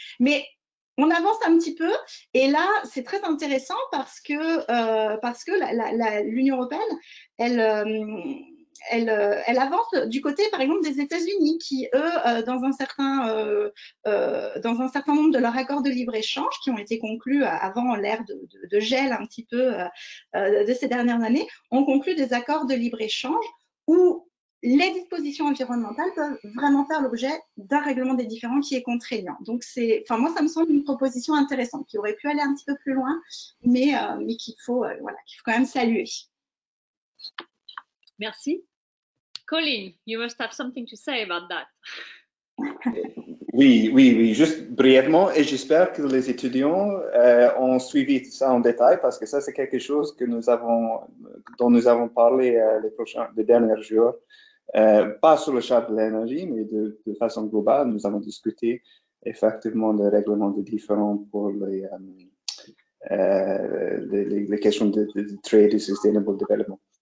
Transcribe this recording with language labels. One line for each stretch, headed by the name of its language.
French: Mais on avance un petit peu, et là, c'est très intéressant parce que l'Union européenne, elle avance du côté, par exemple, des États-Unis, qui, eux, dans un certain nombre de leurs accords de libre-échange, qui ont été conclus avant l'ère de gel un petit peu de ces dernières années, ont conclu des accords de libre-échange où les dispositions environnementales peuvent vraiment faire l'objet d'un règlement des différends qui est contraignant. Donc, moi, ça me semble une proposition intéressante qui aurait pu aller un petit peu plus loin, mais qu'il faut quand même saluer. Merci.
English: Colin, you must have something to say about that.
French: Oui, juste brièvement, et j'espère que les étudiants ont suivi ça en détail, parce que ça, c'est quelque chose dont nous avons parlé les derniers jours. Pas sur le charte de l'énergie, mais de façon globale, nous avons discuté effectivement des règlements de différents pour les questions de trade et sustainable development.